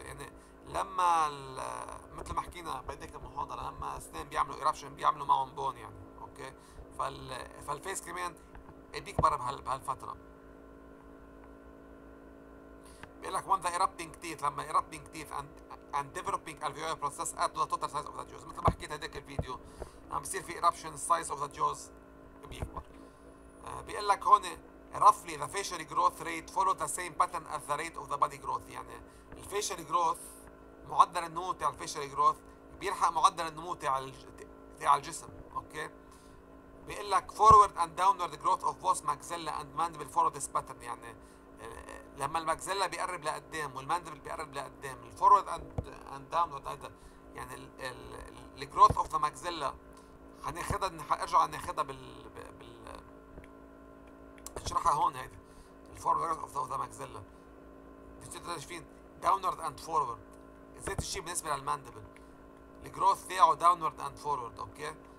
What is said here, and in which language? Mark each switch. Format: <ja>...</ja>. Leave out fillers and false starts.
<ar>يعني لما مثل ما حكينا بديك المحاضرة لما اثنين بيعملوا eruption بيعملوا معهم بون يعني اوكي، فالفيس كمان بيكبر بهالفترة. بيقول لك</ar> <en>when the erupting teeth</en> <ar>لما</ar> <en>erupting teeth and developing alveolar process add to the total size of the jaws.</en> <ar>مثل ما حكيت هديك الفيديو عم بصير في eruption</ar> <en>size of the jaws</en> <ar>بيكبر. بيقول لك هون</ar> <en>roughly the facial growth rate follows the same pattern as the rate of the body growth.</en> <ar>يعني الفيشال جروث معدل النمو تاع الفيشال جروث بيلحق معدل النمو تاع الجسم اوكي. بيقول لك</ar> <en>forward and downward growth of both maxilla and mandible follow this pattern.</en> <ar>يعني لما الماكسيلا بيقرب لقدام والماندبل بيقرب لقدام</ar> <en>الفورورد and downward</en> <ar>هذا يعني</ar> <en>الجروث of the maxilla</en> <ar>هناخدها ارجع ناخدها اشرحها هون هيدي</ar> <en>الفورورد of the maxilla</en> <ar>شايفين</ar> <en>downward and forward</en> <ar>زي الشيء بالنسبه للماندبل الجروث تاعه داونورد اند فورورد اوكي.</ar>